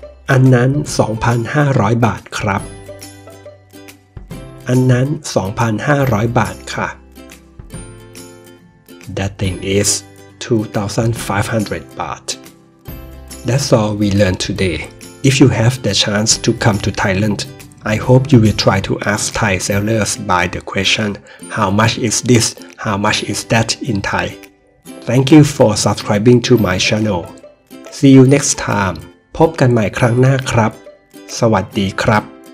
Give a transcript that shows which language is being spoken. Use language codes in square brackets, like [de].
[th] อันนั้น 2,500 บาทครับอันนั้น 2,500 บาทค่ะ [en] That thing is 2,500 บาท That's all we learned today. If you have the chance to come to Thailand, I hope you will try to ask Thai sellers by the question How much is this? How much is that in Thai? Thank you for subscribing to my channel. See you next time. [th] พบกันใหม่ครั้งหน้าครับ สวัสดีครับ